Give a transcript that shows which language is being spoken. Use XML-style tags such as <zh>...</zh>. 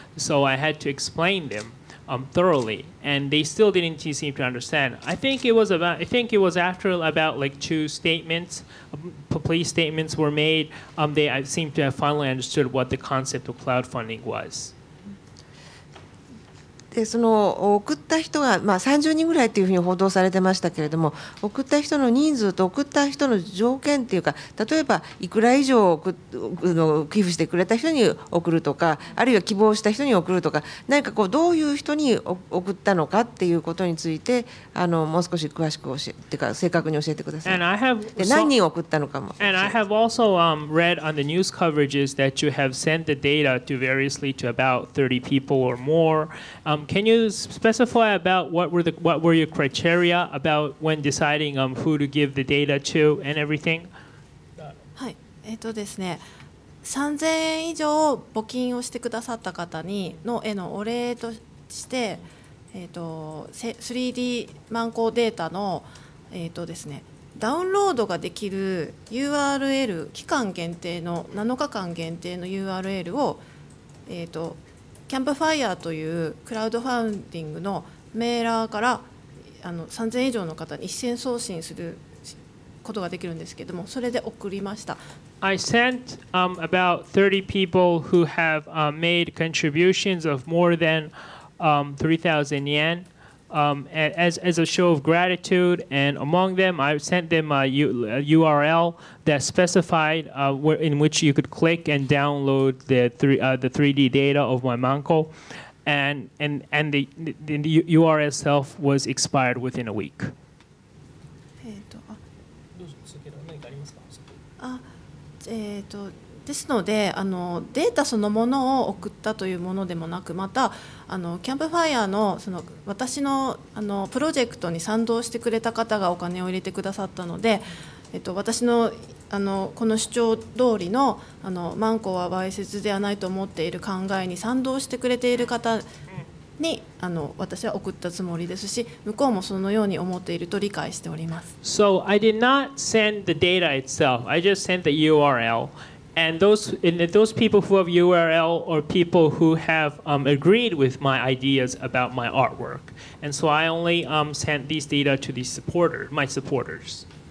<en>So I had to explain them thoroughly. And they still didn't seem to understand. I think it was after about like two statements, police statements were made, they seemed to have finally understood what the concept of crowdfunding was.</en> <ja>でその送った人が、まあ、30人ぐらいというふうに報道されてましたけれども、送った人の人数と送った人の条件というか、例えばいくら以上寄付してくれた人に送るとか、あるいは希望した人に送るとか、何かこうどういう人に送ったのかということについて、もう少し詳しく教えてか、正確に教えてください。</ja> <en>And I have,</en> <ja>で何人送ったのかも。</ja> <en>And I have also read on the news coverages that you have sent the data to variously to about 30 people or more. Can you specify about what were your criteria about when deciding who to give the data to and everything?</en> <ja>はい、ですね、3000円以上募金をしてくださった方にのへのお礼として、3D マンコデータのですね、ダウンロードができる URL 期間限定の7日間限定の URL をキャンプファイヤーというクラウドファンディングのメーラーから3000円以上の方に一斉送信することができるんですけれども、それで送りました。</ja> <en>I sent about 30 people who have made contributions of more than 3,000 yen as a show of gratitude, and among them I sent them a URL that specified in which you could click and download the 3D data of my manko, and the URL itself was expired within a week.</en> <ja>ですのでデータそのものを送ったというものでもなく、またキャンプファイヤー その私 のプロジェクトに賛同してくれた方がお金を入れてくださったので、私 のこの主張通り のマンコは猥褻ではないと思っている考えに賛同してくれている方に私は送ったつもりですし、向こうもそのように思っていると理解しております。</ja> <en>So I did not send the data itself. I just sent the URL. And those people who have URL are people who have agreed with my ideas about my artwork. And so I only sent these data to the supporter, my supporters.</en>